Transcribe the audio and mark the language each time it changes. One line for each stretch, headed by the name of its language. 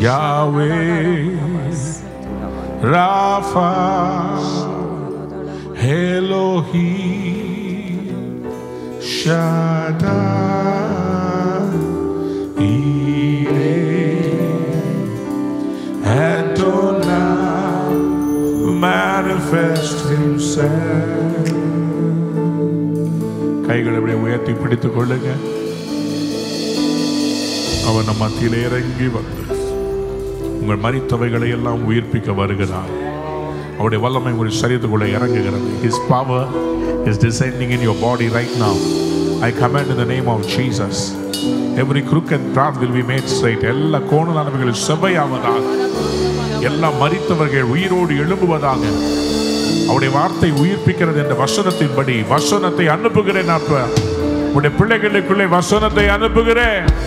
English: Yahweh Rapha Elohim Shaddai Ire Adonai manifest himself.
Tamil: கைகளை அப்படியே உயர்த்தி பிடித்துக் கொள்ளுங்க. அவன் மத்தியில் இறங்கி வந்து உங்கள் மரித்தவைகளை எல்லாம் உயிர்ப்பிக்க வருகிறான். அவருடைய வல்லமை ஒரு சரீரத்துக்குள்ள இறங்குகிறது.
English: His power is descending in your body right now. I command in the name of Jesus. Every crooked path will be made straight.
Tamil: எல்லா கோணலானவைகளும் செவ்வையாவதாக. எல்லா மரித்தவர்கள் உயிரோடு எழும்புவதாக. அவருடைய வார்த்தை உயிர்ப்பிக்கிறது என்ற வசனத்தின்படி வசனத்தை அனுப்புகிறேன். அப்ப உங்களுடைய பிள்ளைகளுக்குள்ளே வசனத்தை அனுப்புகிறேன்.